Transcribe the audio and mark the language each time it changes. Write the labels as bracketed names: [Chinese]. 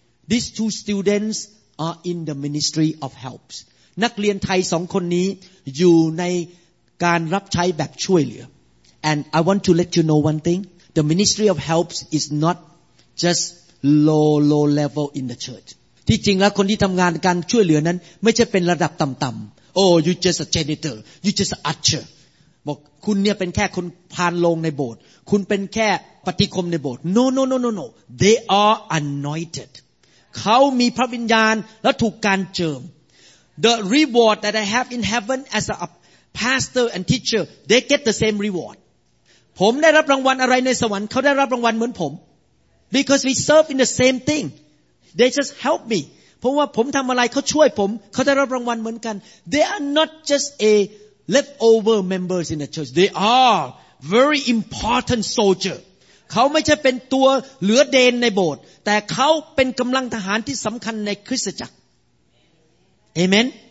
[English] These two students are in the ministry of helps [Thai] นักเรียนไทย2คนนี้อยู่ในการรับใช้แบบช่วยเหลือ [English] And I want to let you know one thing the ministry of helps is not just low level in the church [Thai] ที่จริงแล้วคนที่ทำงานการช่วยเหลือนั้นไม่ใช่เป็นระดับต่ำๆ [English] Oh, you're just a janitor. You're just an usher. [Thai] บอกคุณเนี่ยเป็นแค่คนพานโลงในโบสถ์คุณเป็นแค่ปฏิคมในโบสถ์ No. [English] They are anointed. [Thai] เขามีพระวิญญาณและถูกการเจิม [English] The reward that I have in heaven as a pastor and teacher, they get the same reward. [Thai] ผมได้รับรางวัลอะไรในสวรรค์เขาได้รับรางวัลเหมือนผม [English] Because we serve in the same thing. They just help me. [Thai] เพราะว่าผมทำอะไรเขาช่วยผมเขาได้รับรางวัลเหมือนกัน [English] They are not just a leftover members in the church They are very important soldier [Thai] เขาไม่ใช่เป็นตัวเหลือเดนในโบสถ์แต่เขาเป็นกำลังทหารที่สำคัญในคริสตจักร Amen